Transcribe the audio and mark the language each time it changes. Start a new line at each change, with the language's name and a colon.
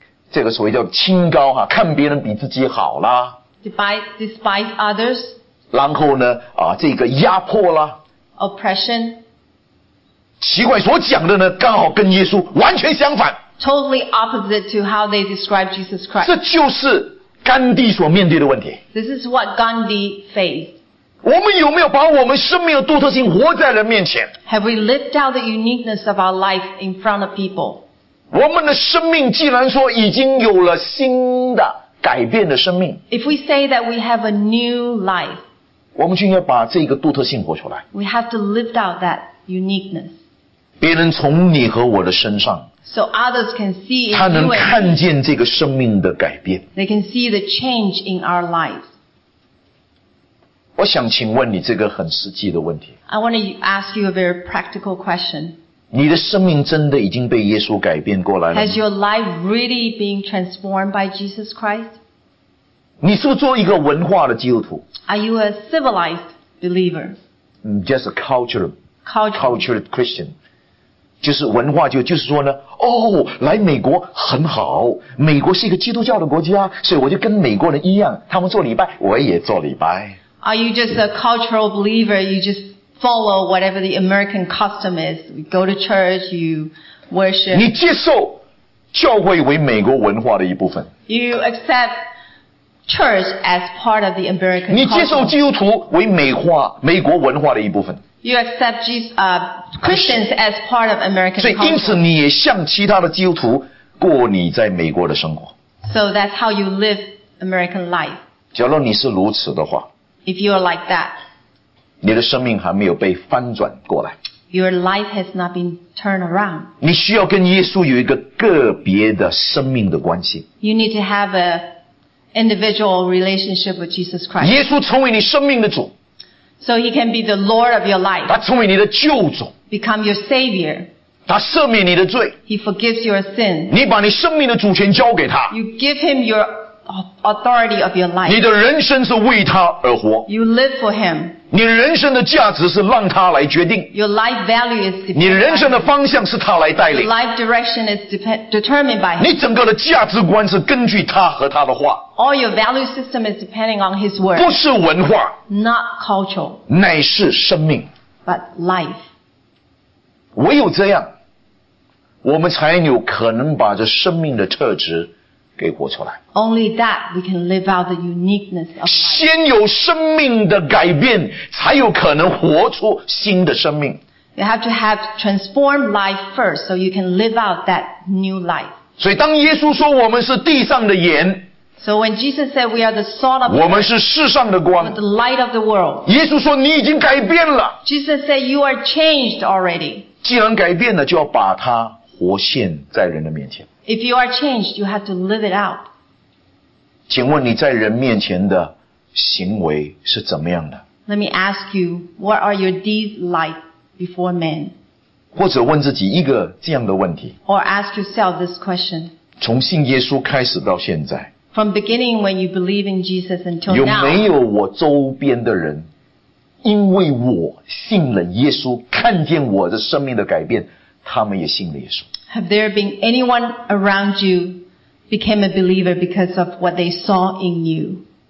Chinese: 这个所谓叫清高哈，看别人比自己好啦。
English: Despise others.
Chinese: 然后呢，这个压迫啦。
English: Oppression.
Chinese: 奇怪，所讲的呢，刚好跟耶稣完全相反。
English: Totally opposite to how they describe Jesus Christ.
Chinese: 这就是甘地所面对的问题。
English: This is what Gandhi faced.
Chinese: 我们有没有把我们生命的独特性活在人面前
English: ？Have we lived out the uniqueness of our life in front of people?
Chinese: 我们的生命既然说已经有了新的改变的生命
English: ，If we say that we have a new life.
Chinese: 我们就应该把这个独特性活出来。
English: We have to live out that uniqueness.
Chinese: 别人从你和我的身上
English: ，So others can see in you.
Chinese: 他能看见这个生命的改变。
English: They can see the change in our lives.
Chinese: 我想请问你这个很实际的问题。
English: I want to ask you a very practical question.
Chinese: 你的生命真的已经被耶稣改变过来了吗
English: ？Has your life really been transformed by Jesus Christ?
Chinese: 你是不是做一个文化的基督徒？
English: Are you a civilized believer? Just a cultured Christian.
Chinese: 就是文化就是说呢，哦，来美国很好，美国是一个基督教的国家，所以我就跟美国人一样，他们做礼拜，我也做礼拜。
English: Are you just a cultural believer? You just follow whatever the American custom is. We go to church, you worship.
Chinese: 你接受教会为美国文化的一部分。
English: You accept. Church as part of the American culture.
Chinese: 你接受基督徒为美国文化的一部分。
English: You accept Jesus, Christians as part of American culture.
Chinese: 所以因此你也像其他的基督徒过你在美国的生活。
English: So that's how you live American life.
Chinese: 假如你是如此的话。
English: If you are like that.
Chinese: 你的生命还没有被翻转过来。
English: Your life has not been turned around.
Chinese: 你需要跟耶稣有一个个别的生命的关系。
English: You need to have a individual relationship with Jesus Christ.
Chinese: 耶稣成为你生命的主。
English: So he can be the Lord of your life.
Chinese: 他成为你的救主。
English: Become your savior.
Chinese: 他赦免你的罪。
English: He forgives your sins.
Chinese: 你把你生命的主权交给他。
English: You give him your authority of your life.
Chinese: 你的人生是为他而活。
English: You live for him.
Chinese: 你人生的价值是让他来决定。
English: Your life value is determined.
Chinese: 你人生的方向是他来带领。
English: Your life direction is determined by him.
Chinese: 你整个的价值观是根据他和他的话。
English: All your value system is depending on his word.
Chinese: 不是文化。
English: Not cultural.
Chinese: 乃是生命。
English: But life.
Chinese: 唯有这样，我们才有可能把这生命的特质给活出来。
English: Only that we can live out the uniqueness of life.
Chinese: 先有生命的改变，才有可能活出新的生命。
English: You have to have transformed life first, so you can live out that new life.
Chinese: 所以当耶稣说我们是地上的盐。
English: So when Jesus said we are the salt of the world,
Chinese: 我们是世上的光。
English: The light of the world.
Chinese: 耶稣说你已经改变了。
English: Jesus said you are changed already.
Chinese: 既然改变了，就要把它活现在人的面前。
English: If you are changed, you have to live it out.
Chinese: 请问你在人面前的行为是怎么样的？
English: Let me ask you, what are your deeds like before men?
Chinese: 或者问自己一个这样的问题。
English: Or ask yourself this question.
Chinese: 从信耶稣开始到现在。
English: From beginning when you believe in Jesus until now.
Chinese: 有没有我周边的人因为我信了耶稣看见我的生命的改变他们也信了耶稣。
English: Have there been anyone around you became a believer because of what they saw in you?